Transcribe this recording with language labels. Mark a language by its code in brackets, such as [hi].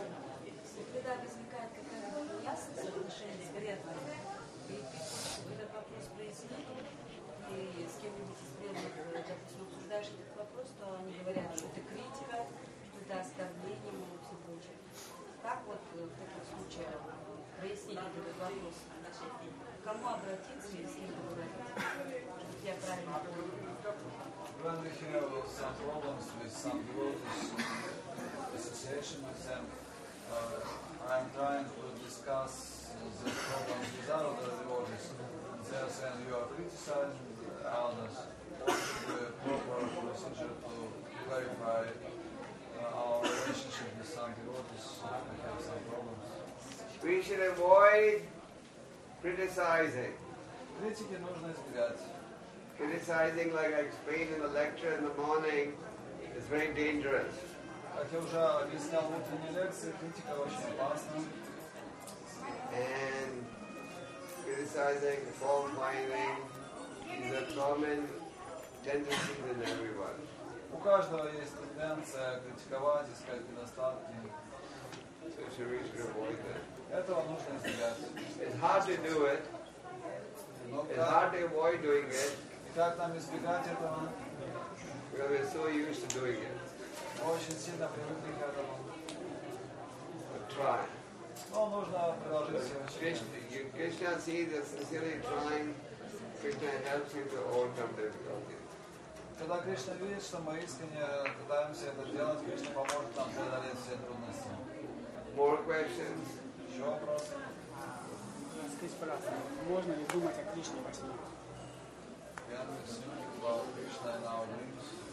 [ru] Когда возникает какая-то неясность в отношении с преданным, и этот вопрос прояснит, и с кем-нибудь из преданных, допустим, обсуждаешь этот вопрос, то они говорят, что это критика, что это оскорбление, и все прочее. Как вот в таких случаях прояснить этот вопрос? Кому обратиться, если это говорить? Я правильно понял. [en] When we have some problems with some devotees, association with them, I'm trying to discuss the problems with other devotees. They are saying you are criticizing others. What is the proper procedure to clarify our relationship with some devotees if we have some problems? We should avoid criticizing. [ru] Критики нужно избегать. [en] Criticizing, like I explained in the lecture in the morning, is very dangerous. [ru] Как я уже объяснял в утренней лекции, критика очень опасна. [en] And criticizing, fault finding is a common tendency in everyone. [ru] У каждого есть тенденция критиковать, искать недостатки. [en] So you should reach to avoid that. [ru] Этого нужно избегать. [en] It's hard to do it. It's hard to avoid doing it. [ru] И как нам избегать этого? [en] Because we're so used to doing it. [ru] Очень сильно привыкли к этому. [en] But try. [ru] Но нужно продолжить все очень. [en] Krishna sees you sincerely trying, Krishna helps you to overcome difficulties. [ru] Когда Кришна видит, что мы искренне пытаемся это делать, Кришна поможет нам преодолеть все трудности. [en] More questions? [ru] Еще вопросы? Скажите, пожалуйста, можно ли думать о Кришне во сне? [en] Can we think about Krishna in our dreams?